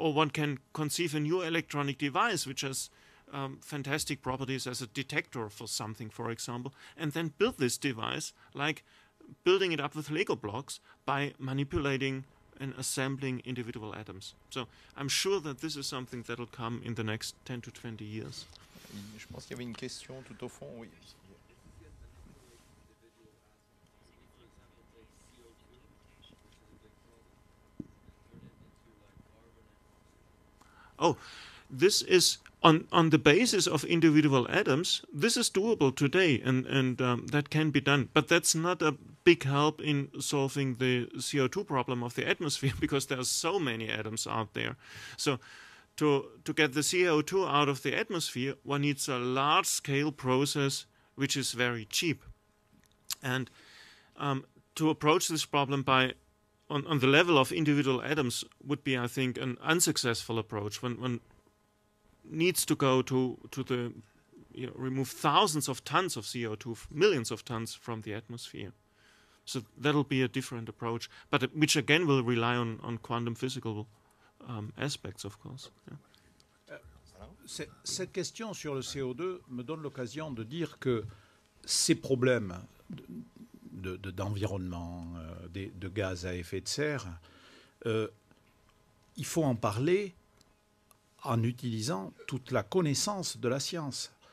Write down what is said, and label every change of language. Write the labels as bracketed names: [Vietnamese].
[English] Or one can conceive a new electronic device which has fantastic properties as a detector for something, for example, and then build this device, like building it up with Lego blocks, by manipulating and assembling individual atoms. So I'm sure that this is something that will come in the next 10 to 20 years. [French] Je pense qu'il y avait une question tout au fond, oui. [English] Oh, this is on the basis of individual atoms. This is doable today, and that can be done. But that's not a big help in solving the CO2 problem of the atmosphere, because there are so many atoms out there. So to get the CO2 out of the atmosphere, one needs a large-scale process which is very cheap. And to approach this problem by on the level of individual atoms would be, I think, an unsuccessful approach. One needs to go to the, you know, remove thousands of tons of CO2, millions of tons from the atmosphere. So that'll be a different approach, but which again will rely on quantum physical aspects, of course. Yeah. [French] Cette question sur le CO2 me donne l'occasion de dire que ces problèmes d'environnement, de gaz à effet de serre, il faut en parler en utilisant toute la connaissance de la science.